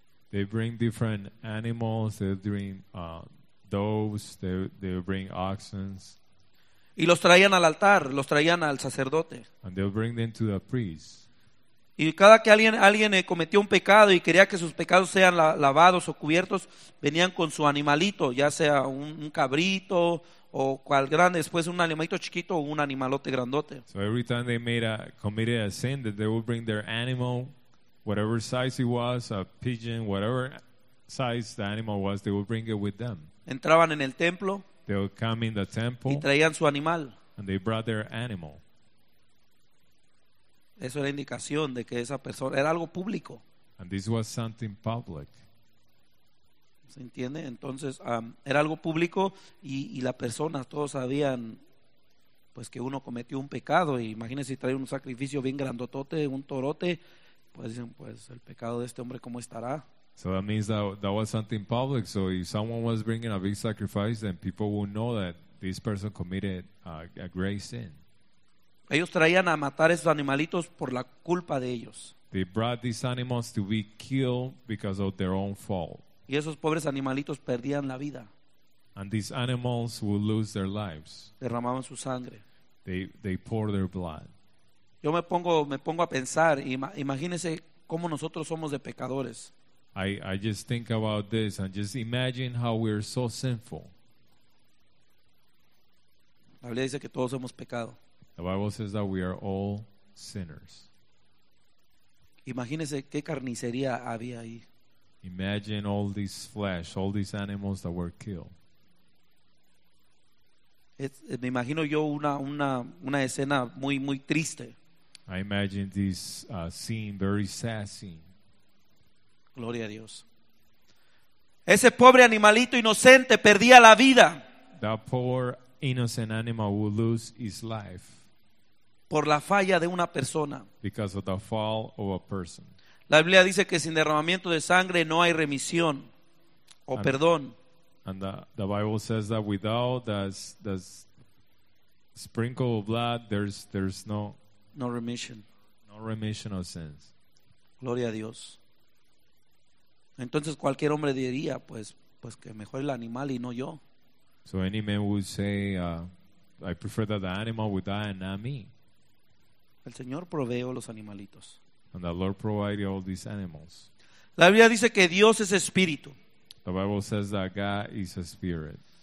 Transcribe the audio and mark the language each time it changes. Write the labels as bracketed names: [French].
[English] They bring different animals, they bring doves, they bring oxen. [Spanish] Y los traían al altar, los traían al sacerdote. [English] And they'll bring them to the priest. [Spanish] Y cada que alguien cometió un pecado y quería que sus pecados sean lavados o cubiertos, venían con su animalito, ya sea un cabrito o cual grande, después un animalito chiquito o un animalote grandote. [English] So every time they committed a sin, that they would bring their animal, whatever size it was, a pigeon, whatever size the animal was, they would bring it with them. [Spanish] Entraban en el templo. [English] They would come in the temple. [Spanish] Y traían su animal. [English] And they brought their animal. [Spanish] Eso era indicación de que esa persona era algo público. [English] And this was something public. [Spanish] ¿Se entiende? Entonces era algo público y la persona, todos sabían pues que uno cometió un pecado. Y imagínense si trae un sacrificio bien grandotote, un torote, pues dicen, pues el pecado de este hombre cómo estará. [English] So that means that was something public. So if someone was bringing a big sacrifice, then people would know that this person committed a great sin. [Spanish] Ellos traían a matar esos animalitos por la culpa de ellos. [English] They brought these animals to be killed because of their own fault. [Spanish] Y esos pobres animalitos perdían la vida. [English] And these animals would lose their lives. [Spanish] Derramaban su sangre. [English] They pour their blood. [Spanish] Yo me pongo a pensar, imagínese cómo nosotros somos de pecadores. [English] I just think about this and just imagine how we are so sinful. [Spanish] La Biblia dice que todos hemos pecado. [English] The Bible says that we are all sinners. [Spanish] Imagínese qué carnicería había ahí. [English] Imagine all this flesh, all these animals that were killed. [Spanish] Me imagino yo una escena muy muy triste. [English] I imagine this scene, very sad scene. [Spanish] Gloria a Dios. Ese pobre animalito inocente perdía la vida. [English] That poor innocent animal would lose his life. [Spanish] Por la falla de una persona. [English] Because of the fall of a person. [Spanish] La Biblia dice que sin derramamiento de sangre no hay remisión o perdón. [English] And the Bible says that without the sprinkle of blood, there's no remission. No remission of sins. [Spanish] Gloria a Dios. Entonces cualquier hombre diría, pues que mejor el animal y no yo. [English] So any man would say, I prefer that the animal would die and not me. [Spanish] El Señor proveó los animalitos. [English] And the Lord provided all these animals. [Spanish] La Biblia dice que Dios es espíritu. [English] The Bible says that God is a spirit.